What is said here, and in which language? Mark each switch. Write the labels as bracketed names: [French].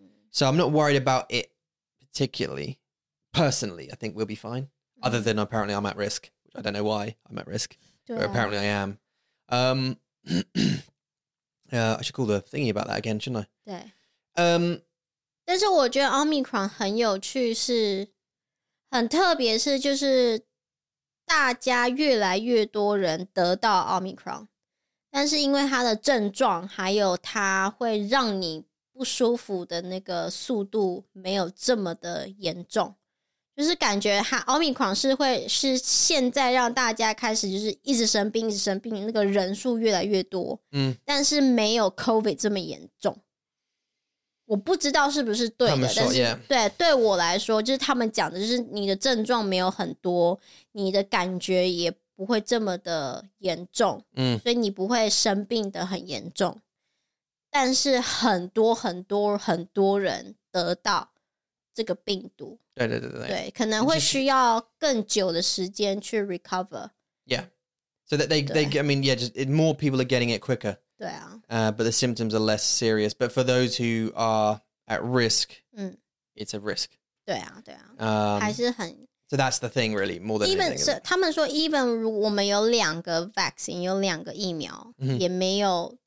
[English] So I'm not worried about it particularly. Personally, I think we'll be fine. Other than apparently I'm at risk, which I don't know why I'm at risk, but apparently I am. I should call the thingy about that again, shouldn't I? [Chinese] 但是我觉得 Omicron 很有趣是，很特别是就是 大家越来越多人得到 Omicron， 但是因为它的症状还有它会让你不舒服的那个速度没有这么的严重，就是感觉它 Omicron 是现在让大家开始就是一直生病，那个人数越来越多，但是没有 COVID 这么严重，我不知道是不是对的，但是对我来说，就是他们讲的，就是你的症状没有很多，你的感觉也不会这么的严重，所以你不会生病的很严重，但是很多人得到这个病毒，对，可能会需要更久的时间去 recover. [English] Yeah, so that they I mean, yeah, just more people are getting it quicker. [Chinese] 对啊。 [English] But the symptoms are less serious. But for those who are at risk, it's a risk. [Chinese] 对啊，对啊，还是很。 [English] So that's the thing, really, more than even, anything. [Chinese] 他们说 even 如果我们有两个 vaccine, 有两个疫苗, mm-hmm. 也没有。